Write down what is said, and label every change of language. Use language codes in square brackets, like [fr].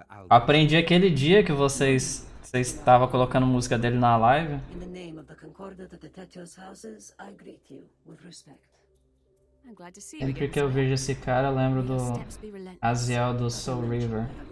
[pt] Aprendi aquele dia que vocês estavam colocando música dele na live. [en] In the name of the Concordat of the Tetios Houses, I greet you with respect. [pt] Sempre que eu vejo esse cara, eu lembro do Aziel do Soul River.